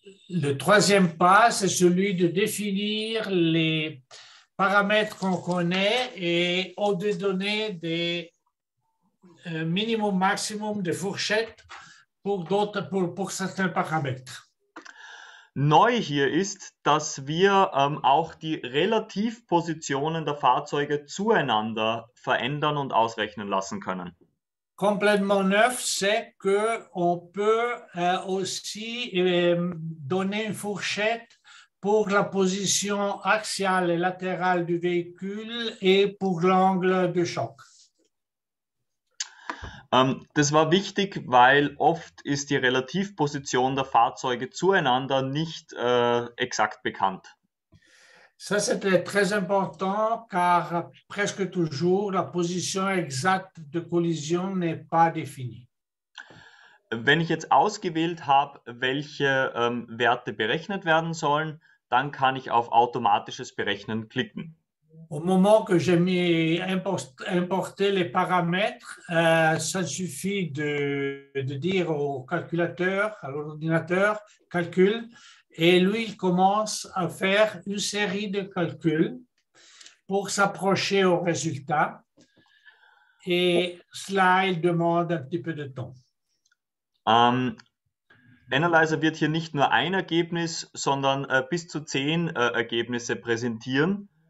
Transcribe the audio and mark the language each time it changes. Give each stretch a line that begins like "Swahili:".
French: Le troisième pas, c'est celui de définir les paramètres qu'on connaît et au de donner des minimum maximum de fourchettes pour d'autres pour certains paramètres.
German: Neu hier ist, dass wir auch die Relativpositionen der Fahrzeuge zueinander verändern und ausrechnen lassen können.
French: Complètement neuf, c'est que on peut aussi donner une fourchette pour la position axiale et latérale du véhicule et pour l'angle de choc.
German: Das war wichtig, weil oft ist die Relativposition der Fahrzeuge zueinander nicht exakt bekannt.
French: Ça, c'était très important car presque toujours la position exacte de collision n'est pas définie.
German: Wenn ich jetzt ausgewählt habe, welche Werte berechnet werden sollen, dann kann ich auf automatisches Berechnen klicken.
French: Au moment que j'ai mis importé les paramètres, ça suffit de dire au calculateur, à l'ordinateur, calcul, et lui il commence à faire une série de calculs pour s'approcher au résultat. Et cela, il demande un petit peu de temps.
German: Analyzer wird hier nicht nur ein Ergebnis, sondern bis zu 10 Ergebnisse präsentieren.